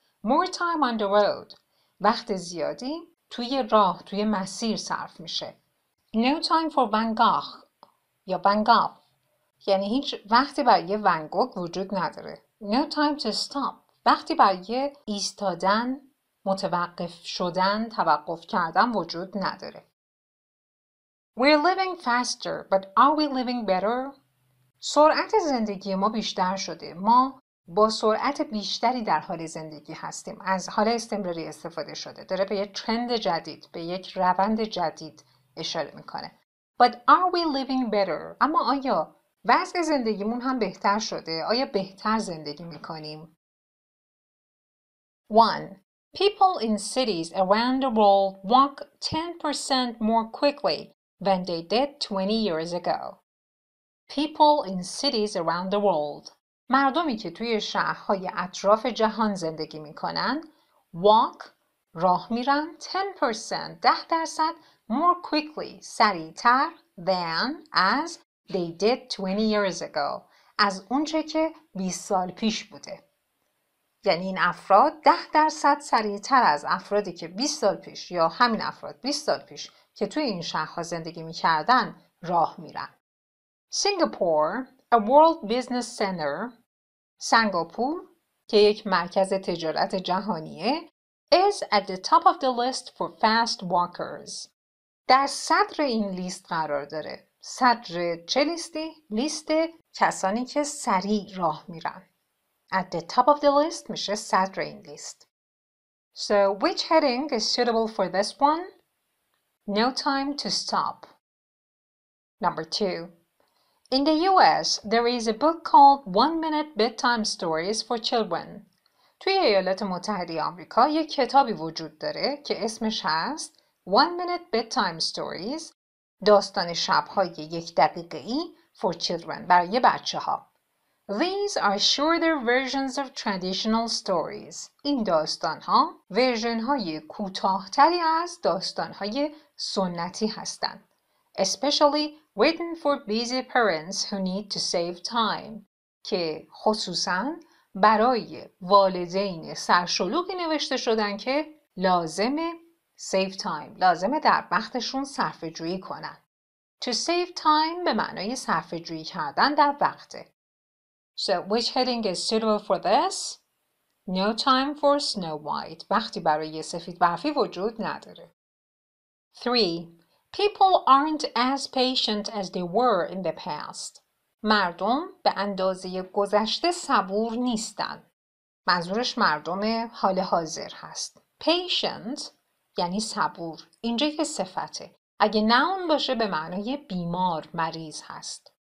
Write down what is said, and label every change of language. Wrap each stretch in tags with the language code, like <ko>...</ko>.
<en>More time on the road.</en> <fa>وقت زیادی توی راه، توی مسیر صرف میشه.</fa> <en>No time for Van Gogh</en> <fa>یا</fa> <en>Van Gogh.</en> <fa>یعنی هیچ وقتی برای یه ونگوک وجود نداره.</fa> <en>No time to stop.</en> <fa>وقتی برای ایستادن، متوقف شدن، توقف کردن وجود نداره.</fa> <en>We're living faster, but are we living better?</en> <fa>سرعت زندگی ما بیشتر شده. ما با سرعت بیشتری در حال زندگی هستیم. از حال استمراری استفاده شده. داره به یه ترند جدید، به یک روند جدید اشاره میکنه.</fa> <en>But are we living better?</en> <fa>اما آیا وضع زندگیمون هم بهتر شده؟ آیا بهتر زندگی میکنیم؟ 1.</fa> <en>People in cities around the world walk 10% more quickly than they did 20 years ago. People in cities around the world.</en> <fa>مردمی که توی شهرهای اطراف جهان زندگی میکنن</fa> <en>walk</en> <fa>راه میرن</fa> <en>10% 10% more quickly</en> <fa>سریعتر</fa> <en>than as they did 20 years ago</en> <fa>از اونچه که 20 سال پیش بوده. یعنی این افراد 10% سریعتر از افرادی که 20 سال پیش یا همین افراد 20 سال پیش که توی این شهرها زندگی میکردن راه میرن.</fa> <en>سنگاپور، a world business center،</en> <fa>سنگاپور که یک مرکز تجارت جهانیه،</fa> <en>is at the top of the list for fast walkers.</en> <fa>در صدر این لیست قرار داره. صدر چه لیستی؟ لیست کسانی که سریع راه میرن.</fa> <en>At the top of the list</en> <fa>میشه صدر این لیست.</fa> <en>So which heading is suitable for this one? No time to stop. Number 2. In the US, there is a book called 1 Minute Bedtime Stories for Children.</en> <fa>توی ایالات متحده آمریکا یک کتابی وجود داره که اسمش هست</fa> <en>1 Minute Bedtime Stories،</en> <fa>داستان شب‌های یک دقیقه‌ای</fa> <en>for children،</en> <fa>برای بچه‌ها.</fa> <en>These are shorter versions of traditional stories.</en> <fa>این داستان‌ها ورژن‌های کوتاه‌تری از داستان‌های سنتی هستند.</fa> <en>Especially written for busy parents who need to save time.</en> <fa>که خصوصاً برای والدین سرشلوغی نوشته شدن که لازمه</fa> <en>save time.</en> <fa>لازمه در وقتشون صرفه‌جویی کنن.</fa> <en>To save time</en> <fa>به معنای صرفه‌جویی کردن در وقته.</fa> <en>So which heading is suitable for this? No time for Snow White.</en> <fa>وقتی برای سفید برفی وجود نداره. 3.</fa> <en>People aren't as patient as they were in the past.</en> <fa>مردم به اندازه گذشته صبور نیستن. منظورش مردم حال حاضر هست. Patient یعنی صبور. اینجا یه صفته. اگه noun باشه به معنای بیمار، مریض هست.</fa>